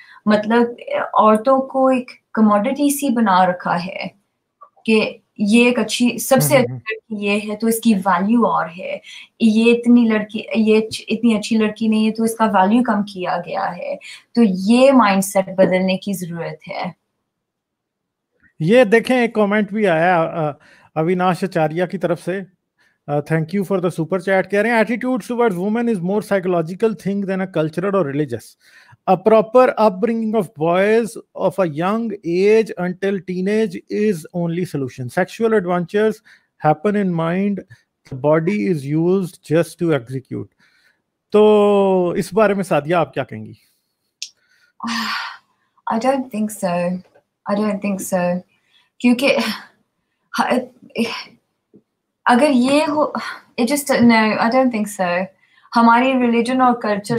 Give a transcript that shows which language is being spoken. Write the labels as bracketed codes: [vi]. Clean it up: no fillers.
[hi] मतलब औरतों को एक कमोडिटी सी बना रखा है कि ये एक अच्छी सबसे अच्छी लड़की ये है तो इसकी वैल्यू और है, ये इतनी लड़की ये इतनी अच्छी लड़की नहीं है तो इसका वैल्यू कम किया गया है। तो ये माइंडसेट बदलने की जरूरत है। ये देखें एक कमेंट भी आया अविनाश आचार्य की तरफ से, [en] thank you for the super chat, [hi] कह रहे हैं [en] Attitude towards women is more psychological thing than a cultural और religious. A proper upbringing of boys of a young age until teenage is only solution. Sexual adventures happen in mind. The body is used just to execute. [hi] तो इस बारे में सादिया आप क्या कहेंगी? [en] I don't think so. I don't think so. [hi] क्योंकि अगर ये हो, [en] it just no. I don't think so. [hi] हमारी religion और culture